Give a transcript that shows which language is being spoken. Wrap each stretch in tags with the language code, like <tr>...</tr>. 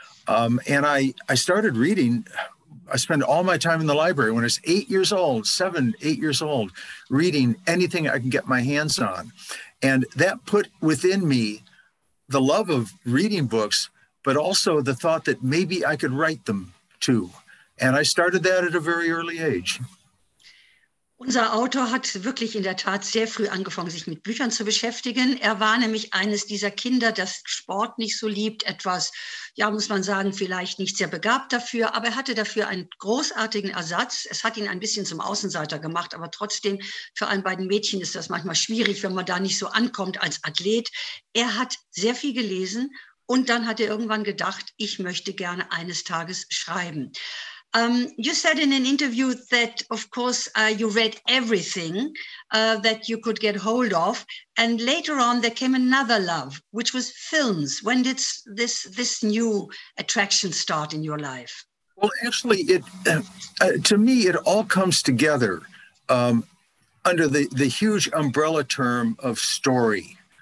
<en>And I started reading. I spent all my time in the library when I was seven, eight years old, reading anything I can get my hands on. And that put within me the love of reading books, but also the thought that maybe I could write them too. And I started that at a very early age.</en> <de>Unser Autor hat wirklich in der Tat sehr früh angefangen, sich mit Büchern zu beschäftigen. Er war nämlich eines dieser Kinder, das Sport nicht so liebt, etwas, ja, muss man sagen, vielleicht nicht sehr begabt dafür, aber er hatte dafür einen großartigen Ersatz. Es hat ihn ein bisschen zum Außenseiter gemacht, aber trotzdem, für ein beiden Mädchen ist das manchmal schwierig, wenn man da nicht so ankommt als Athlet. Er hat sehr viel gelesen und dann hat er irgendwann gedacht, ich möchte gerne eines Tages schreiben.</de> <en>You said in an interview that, of course, you read everything that you could get hold of. And later on, there came another love, which was films. When did this new attraction start in your life? Well, actually, to me, it all comes together under the huge umbrella term of story.</en>